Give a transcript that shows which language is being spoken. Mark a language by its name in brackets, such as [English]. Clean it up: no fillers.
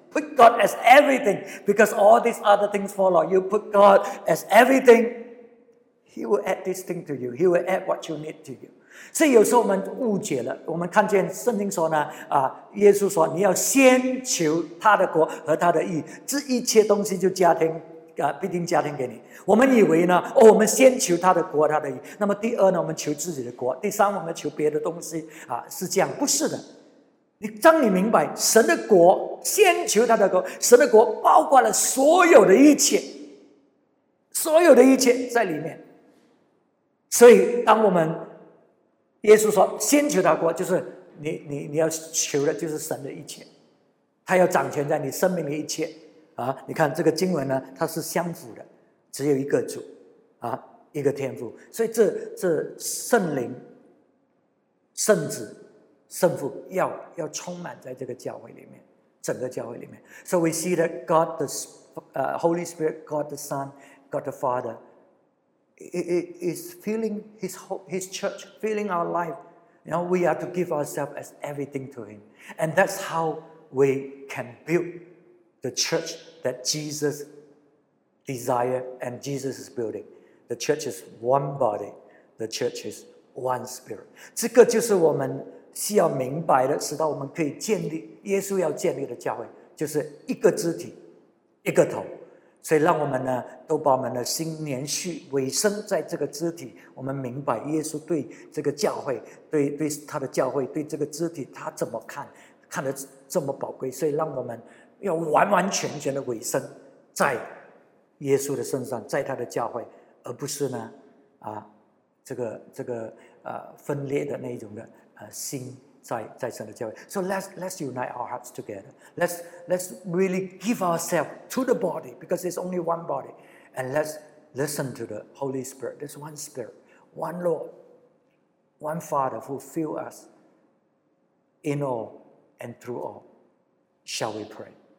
[English] Put God as everything. Because all these other things follow. You put God as everything, He will add this thing to you. He will add what you need to you. [Chinese] 所以有时候我们误解了，我们看见圣经说呢，耶稣说你要先求他的国和他的义，这一切东西就加添，必定加添给你。我们以为呢，哦，我们先求他的国，他的义，那么第二呢，我们求自己的国，第三我们求别的东西，是这样，不是的。当你明白神的国，先求他的国，神的国包括了所有的一切，所有的一切在里面。所以当我们耶稣说先求他国，就是 你要求的就是神的一切，他要掌权在你生命的一切啊。你看这个经文呢，它是相符的，只有一个主啊，一个天父。所以 这圣灵圣子圣父 要充满在这个教会里面，整个教会里面。 [English] So we see that God the Holy Spirit, God the Son, God the FatherIt is filling his church, filling our life. You know, we are to give ourselves as everything to him. And that's how we can build the church that Jesus desired and Jesus is building. The church is one body. The church is one spirit. [Chinese] 这个就是我们需要明白的，使到我们可以建立，耶稣要建立的教会，就是一个肢体，一个头。所以让我们呢都把我们的心连续尾声在这个肢体，我们明白耶稣对这个教会 对他的教会，对这个肢体他怎么看，看得这么宝贵。所以让我们要完完全全的尾声在耶稣的身上，在他的教会，而不是呢啊这个分裂的那种的心在神的教会。 [English] So let's unite our hearts together. Let's really give ourselves to the body, because it's only one body. And let's listen to the Holy Spirit. There's one Spirit, one Lord, one Father who fills us in all and through all. Shall we pray?